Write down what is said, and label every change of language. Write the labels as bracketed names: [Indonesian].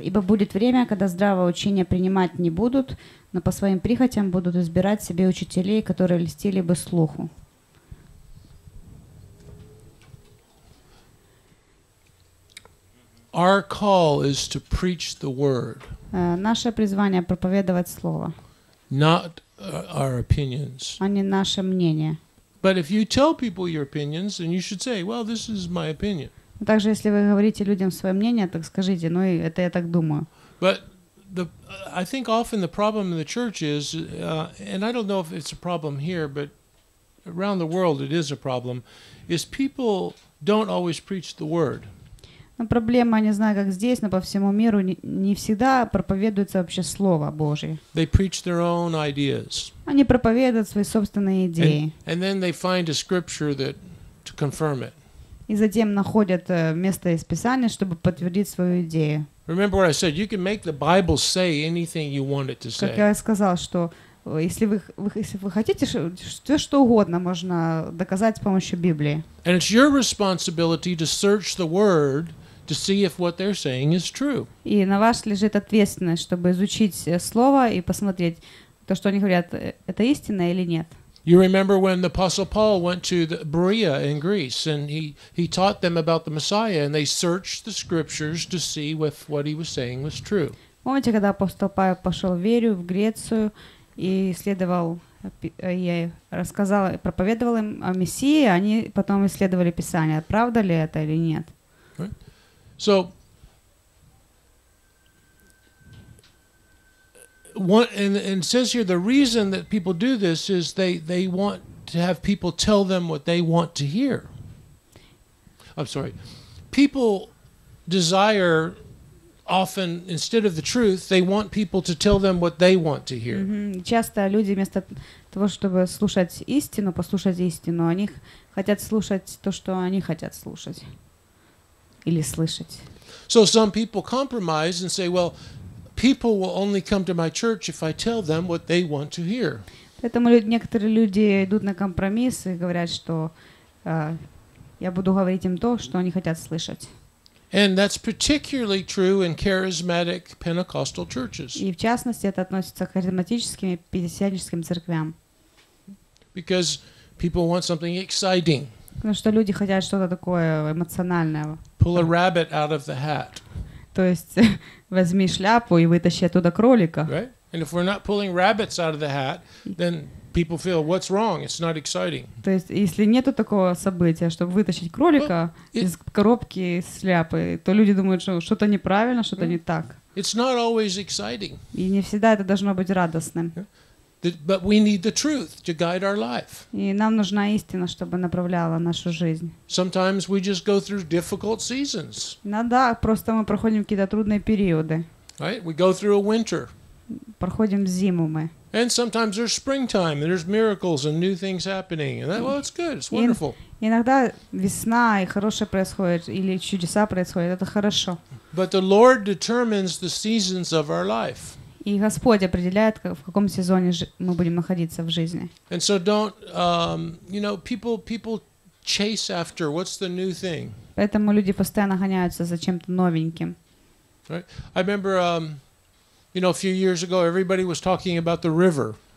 [Russian] «Ибо будет время, когда здравого учения принимать не будут, но по своим прихотям будут избирать себе учителей, которые льстили бы слуху». [English] Our call is to preach the word. [Russian] Наше призвание — проповедовать слово. [English] Not our opinions. [Russian] А не наше мнение. [English] But if you tell people your opinions, then you should say, well, this is my opinion. [Russian] Также, если вы говорите людям свое мнение, так скажите, ну, это я так думаю. [English] But I think often the problem in the church is, and I don't know if it's a problem here, but around the world it is a problem, is people don't always preach the word. [Russian] Но проблема, не знаю, как здесь, но по всему миру не всегда проповедуется вообще Слово Божие. [English] They preach their own ideas. [Russian] Они проповедуют свои собственные идеи. [English] And then they find a scripture that, to confirm it. [Russian] И затем находят место из Писания, чтобы подтвердить свою идею. [English] Remember what I said, you can make the Bible say anything you want it to say. [Russian] Как я сказал, что если вы хотите, все что угодно можно доказать с помощью Библии. [English] And it's your responsibility to search the word to see if what they're saying is true. [Russian] И на вас лежит ответственность, чтобы изучить слово и посмотреть, то, что они говорят, это истина или нет. [English] You remember when the Apostle Paul went to the Berea in Greece and he taught them about the Messiah and they searched the scriptures to see if what he was saying was true. [Russian] Помните, когда апостол Павел пошел в Берею, в Грецию, и исследовал, ей рассказал, проповедовал им о Мессии, они потом исследовали Писание, правда ли это или нет. [English] Right. So, and it says here, the reason that people do this is they want to have people tell them what they want to hear. I'm sorry. People desire often, instead of the truth, they want people to tell them what they want to hear. [Russian] Часто люди вместо того, чтобы слушать истину, послушать истину, они хотят слушать то, что они хотят слушать или слышать. [English] So some people compromise and say, well, people will only come to my church if I tell them what they want to hear. [Russian] Поэтому некоторые люди идут на компромисс и говорят, что я буду говорить им то, что они хотят слышать. [English] And that's particularly true in charismatic Pentecostal churches. [Russian] И в частности это относится к харизматическим и пятидесятническим церквям. [English] Because people want something exciting. [Russian] Потому что люди хотят что-то такое эмоциональное. [English] Pull a rabbit out of the hat. [Russian] То есть возьми шляпу и вытащи оттуда кролика. [English] Right? And if we're not pulling rabbits out of the hat, then people feel what's wrong, it's not exciting. [Russian] То есть если нету такого события, чтобы вытащить кролика из коробки с шляпой, то люди думают, что что-то неправильно, что-то не так. [English] It's not always exciting. [Russian] И не всегда это должно быть радостным. [English] But we need the truth to guide our life. [Russian] И нам нужна истина, чтобы направляла нашу жизнь. [English] Sometimes we just go through difficult seasons. [Russian] Иногда просто мы проходим какие-то трудные периоды. [English] Right? We go through a winter. [Russian] Проходим зиму мы. [English] And sometimes there's springtime, and there's miracles and new things happening. And that, well, it's good, it's wonderful. [Russian] Иногда весна и хорошее происходит, или чудеса происходят. Это хорошо. [English] But the Lord determines the seasons of our life. [Russian] И Господь определяет, в каком сезоне мы будем находиться в жизни. [English] And so don't, you know, people chase after what's the new thing. [Russian] Поэтому люди постоянно гоняются за чем-то новеньким. [English] Right. I remember. You know, a few years ago, everybody was talking about the river.